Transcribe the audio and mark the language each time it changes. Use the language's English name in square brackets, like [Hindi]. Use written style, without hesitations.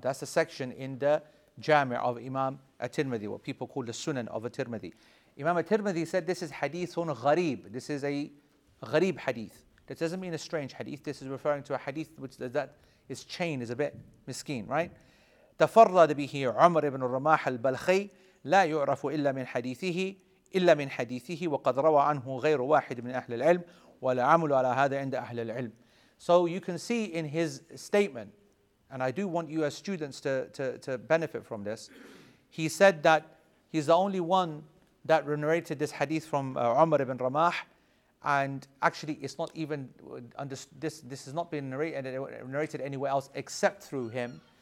[English] That's a section in the Jami' of Imam At-Tirmidhi, what people call the Sunan of At-Tirmidhi. Imam At-Tirmidhi said this is hadithun gharib. This is a gharib hadith. That doesn't mean a strange hadith. This is referring to a hadith which that is chain is a bit miskeen, right? [Arabic] تفرد به عمر بن الرماح البلخي لا يعرف إلا من حديثه إلا من حديثه وقد روى عنه غير واحد من أهل العلم ولا عمل على هذا عند أهل العلم. [English] So you can see in his statement, and I do want you as students to benefit from this. He said that he's the only one that narrated this hadith from Umar ibn Ramah, and actually it's not even this has not been narrated anywhere else except through him.